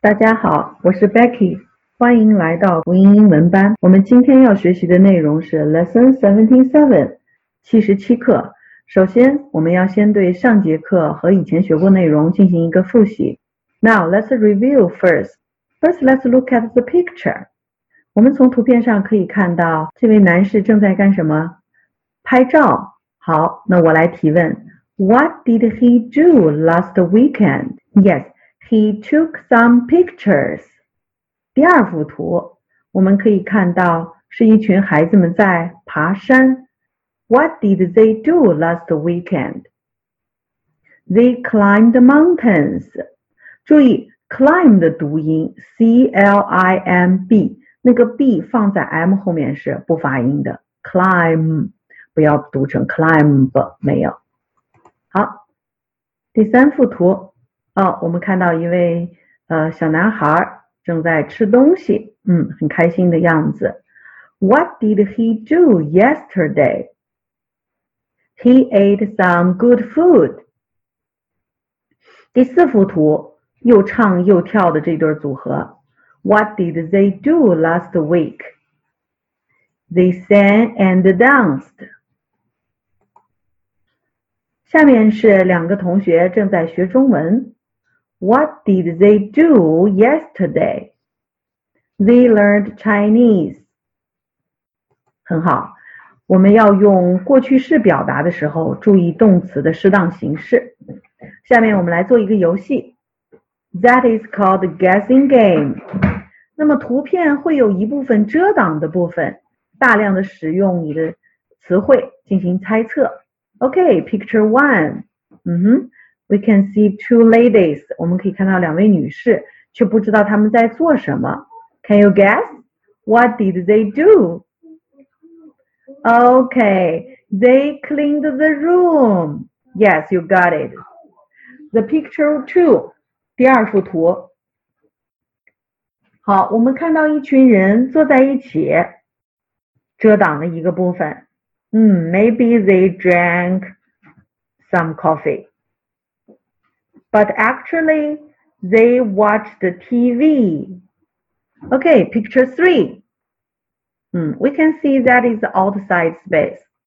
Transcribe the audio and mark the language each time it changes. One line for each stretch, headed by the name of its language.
Chinese: 大家好，我是 Becky， 欢迎来到福音英文班。我们今天要学习的内容是 Lesson 77， 77课。首先，我们要先对上节课和以前学过内容进行一个复习。
English: Now, let's review first. First, let's look at the picture.
Chinese: 我们从图片上可以看到这位男士正在干什么？拍照。好，那我来提问。
English: What did he do last weekend? Yes. He took some pictures.
Chinese: 第二幅图，我们可以看到是一群孩子们在爬山。
English: What did they do last weekend? They climbed the mountains.
Chinese: 注意 ,climb 的读音 ,C-L-I-M-B, 那个 B 放在 M 后面是不发音的。 climb, 不要读成 climb, 没有。好，第三幅图。哦，我们看到一位小男孩正在吃东西，很开心的样子。
English: What did he do yesterday? He ate some good food.
Chinese: 第四幅图，又唱又跳的这对组合。
English: What did they do last week? They sang and danced.
Chinese: 下面是两个同学正在学中文。
English: What did they do yesterday? They learned Chinese.
Chinese: 很好，我们要用过去式表达的时候注意动词的适当形式。下面我们来做一个游戏。
English: That is called guessing game.
Chinese: 那么图片会有一部分遮挡的部分，大量的使用你的词汇进行猜测。
English: Okay, picture one. We can see two ladies.
Chinese: 我们可以看到两位女士，却不知道她们在做什么。
English: Can you guess? What did they do? Okay, they cleaned the room. Yes, you got it. The picture two,
Chinese: 第二幅图。好，我们看到一群人坐在一起，遮挡了一个部分。
English: Maybe they drank some coffee. But actually, they watched the TV. Okay, picture three. We can see that is the outside space.